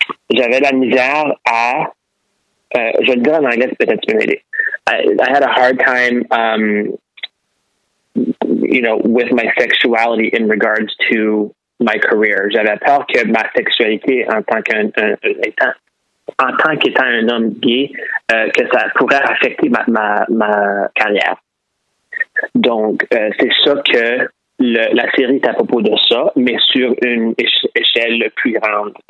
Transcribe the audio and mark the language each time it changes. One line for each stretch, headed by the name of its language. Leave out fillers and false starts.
French: J'avais la misère à je vais le dire en anglais, peut-être tu peux m'aider.
English: I had a hard time you know, with my sexuality in regards to my career.
French: J'avais peur que ma sexualité en tant qu'étant un homme gay, que ça pourrait affecter ma carrière. Donc, c'est ça que la série est à propos de ça, mais sur une échelle plus grande.